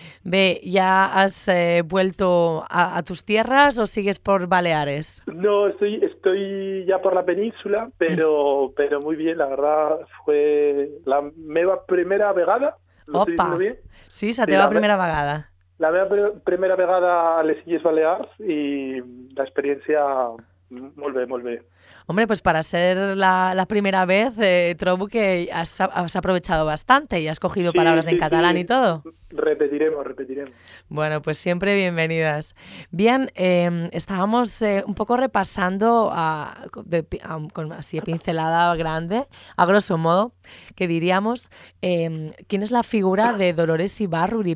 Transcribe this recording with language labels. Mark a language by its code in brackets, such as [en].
[es] Bé, ja has vuelto a tus tierras o sigues por Baleares? No, estoy ya por la península, pero muy bien, la verdad fue [ca] la meva primera vegada. Opa, sí, la teva primera vegada. La meva primera vegada a les Illes Balears i la experiència molt bé, molt bé. [es] Hombre, pues para ser la primera vez, [ca] trobo que [es] has aprovechado bastante y has cogido palabras en catalán y todo. Repetiremos. Bueno, pues siempre bienvenidas. Bien, estábamos un poco repasando así a pincelada grande, a grosso modo, que diríamos, ¿quién es la figura de Dolores Ibárruri?